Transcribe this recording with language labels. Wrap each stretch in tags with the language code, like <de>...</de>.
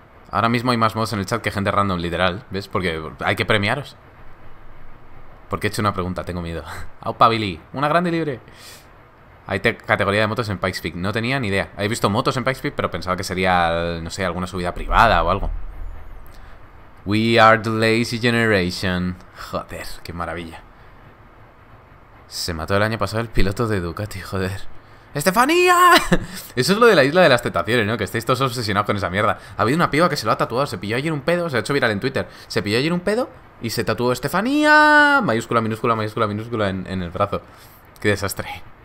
<es>Ahora mismo hay más mods en el chat que gente random, literal. ¿Ves? Porque hay que premiaros. Porque he hecho una pregunta, tengo miedo. ¡Aupa, Billy! ¡Una grande libre! Hay categoría de motos en Pikes Peak. No tenía ni idea. He visto motos en Pikes Peak, pero pensaba que sería, no sé, alguna subida privada o algo.</es> <en>We are the lazy generation.</en> <es>Joder, qué maravilla. Se mató el año pasado el piloto de Ducati, joder. ¡Estefanía! Eso es lo de la isla de las tentaciones, ¿no? Que estáis todos obsesionados con esa mierda. Ha habido una piba que se lo ha tatuado. Se pilló ayer un pedo. Se ha hecho viral en Twitter. Se pilló ayer un pedo y se tatuó Estefanía. Mayúscula, minúscula, mayúscula, minúscula en el brazo. ¡Qué desastre!</es>